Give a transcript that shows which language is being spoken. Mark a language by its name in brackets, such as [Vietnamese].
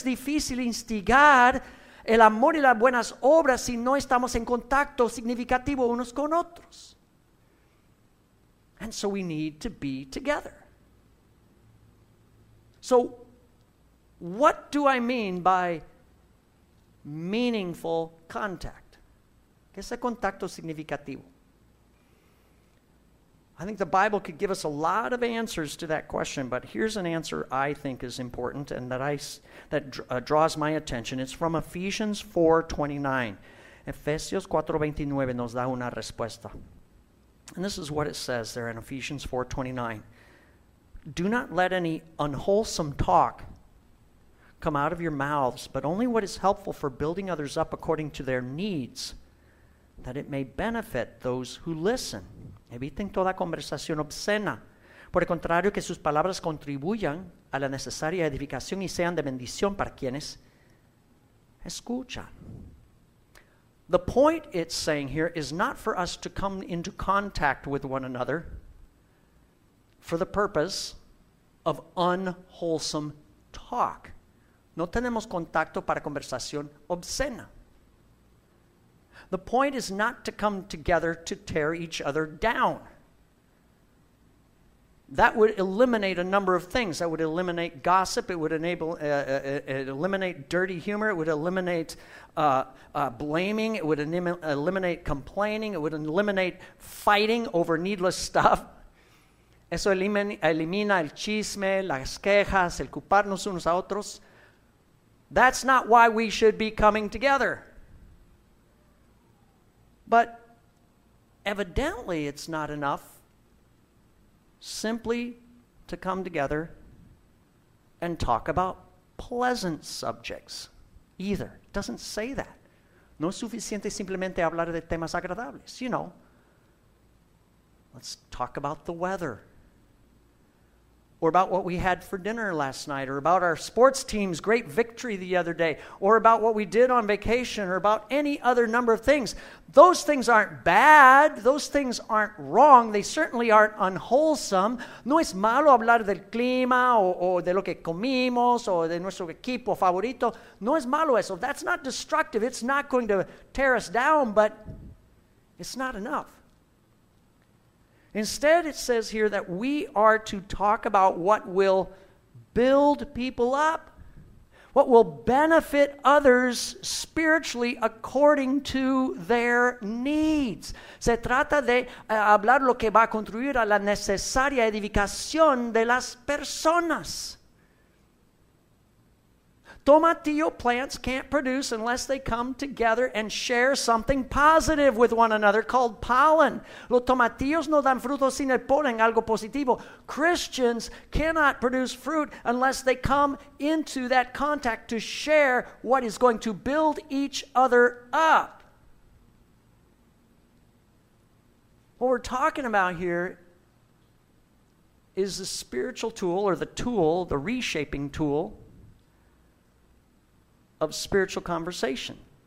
[Spanish] Es difícil instigar el amor y las buenas obras si no estamos en contacto significativo unos con otros. [English] And so we need to be together. So what do I mean by meaningful contact? [Spanish] ¿Qué es el contacto significativo? [English] I think the Bible could give us a lot of answers to that question, but here's an answer I think is important and that draws my attention. It's from Ephesians 4:29. [Spanish] Efesios 4:29 nos da una respuesta. [English] And this is what it says there in Ephesians 4:29. Do not let any unwholesome talk come out of your mouths, but only what is helpful for building others up according to their needs, that it may benefit those who listen. [Spanish] Eviten toda conversación obscena. Por el contrario, que sus palabras contribuyan a la necesaria edificación y sean de bendición para quienes escuchan. [English] The point it's saying here is not for us to come into contact with one another for the purpose of unwholesome talk. [Spanish] No tenemos contacto para conversación obscena. [English] The point is not to come together to tear each other down. That would eliminate a number of things. That would eliminate gossip. It would enable, eliminate dirty humor. It would eliminate blaming. It would eliminate complaining. It would eliminate fighting over needless stuff. [Spanish] Eso elimina el chisme, las quejas, el culparnos unos a otros. [English] That's not why we should be coming together. But evidently it's not enough simply to come together and talk about pleasant subjects either. It doesn't say that. [Spanish] No es suficiente simplemente hablar de temas agradables. [English] You know, let's talk about the weather. Or about what we had for dinner last night, or about our sports team's great victory the other day, or about what we did on vacation, or about any other number of things. Those things aren't bad. Those things aren't wrong. They certainly aren't unwholesome. [Spanish] No es malo hablar del clima, o de lo que comimos, o de nuestro equipo favorito. No es malo eso. [English] That's not destructive. It's not going to tear us down, but it's not enough. Instead, it says here that we are to talk about what will build people up, what will benefit others spiritually according to their needs. [Spanish] Se trata de hablar lo que va a contribuir a la necesaria edificación de las personas. [English] Tomatillo plants can't produce unless they come together and share something positive with one another called pollen. [Spanish] Los tomatillos no dan frutos sin el polen, algo positivo. [English] Christians cannot produce fruit unless they come into that contact to share what is going to build each other up. What we're talking about here is the spiritual tool, or the tool, the reshaping tool, of spiritual conversation.